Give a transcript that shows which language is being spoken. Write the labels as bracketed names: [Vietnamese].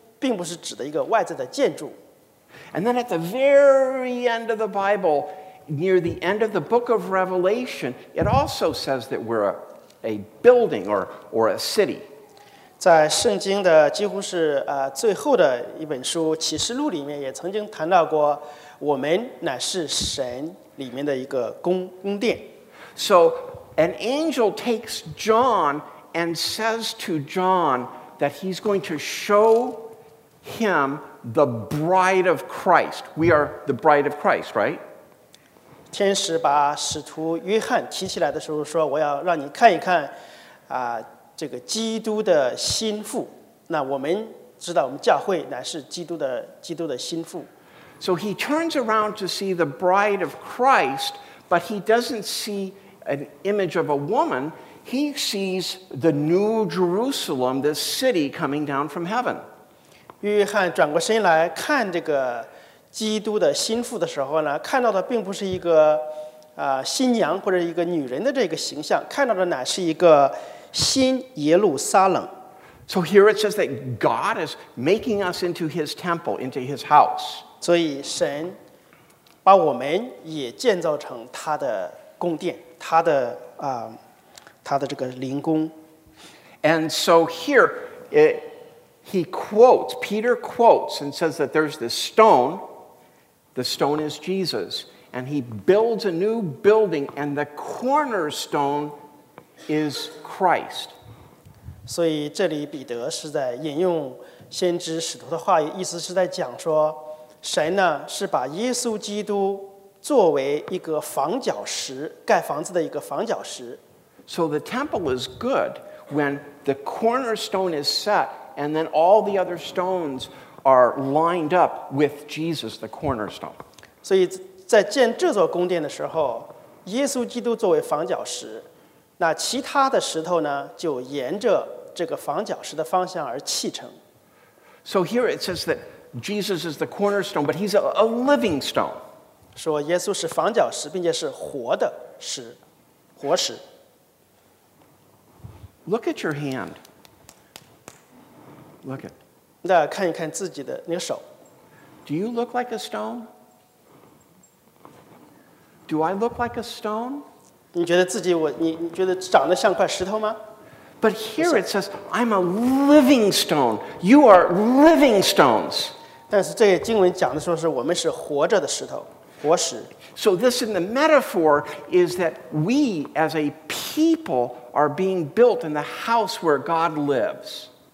[Chinese] 并不是指的一个外在的建筑。 [English] And then at the very end of the Bible, near the end of the book of Revelation, it also says that we're a building or a city. [Chinese] 在圣经的几乎是最后的一本书《启示录》里面也曾经谈到过，我们乃是神里面的一个宫殿。 [English] So an angel takes John and says to John that he's going to show him, the bride of Christ. We are the bride of Christ, right? [Chinese] 天使把使徒约翰提起来的时候说我要让你看一看这个基督的心腹。那我们知道我们教会乃是基督的心腹。 [English] So he turns around to see the bride of Christ, but he doesn't see an image of a woman. He sees the new Jerusalem, this city coming down from heaven. [Chinese] 约翰转过身来看这个基督的心腹的时候呢，看到的并不是一个新娘或者一个女人的这个形象，看到的乃是一个新耶路撒冷。 [English] So here it says that God is making us into His temple, into His house. [Chinese] 所以神把我们也建造成他的宫殿，他的这个灵宫。 [English] And so here it. He quotes, Peter quotes and says that there's this stone. The stone is Jesus. And he builds a new building and the cornerstone is Christ. [Chinese] 所以这里彼得是在引用先知使徒的话语意思是在讲说神呢是把耶稣基督作为一个房角石盖房子的一个房角石。 [English] So the temple is good when the cornerstone is set. And then all the other stones are lined up with Jesus, the cornerstone. [Chinese] 所以在建这座宫殿的时候，耶稣基督作为房角石，那其他的石头呢，就沿着这个房角石的方向而砌成。 [English] So here it says that Jesus is the cornerstone, but he's a living stone. [Chinese] 说耶稣是房角石，并且是活的石，活石。 [English] Look at your hand. Look at. [Chinese] 那看一看自己的那个手。 [English] Do you look like a stone? Do I look like a stone? [Chinese] 你觉得长得像块石头吗? [English] But here it says, I'm a living stone. You are living stones. [Chinese] 但是这个经文讲的说是我们是活着的石头,活石。 [English] So this in the metaphor is that we as a people are being built in the house where God lives.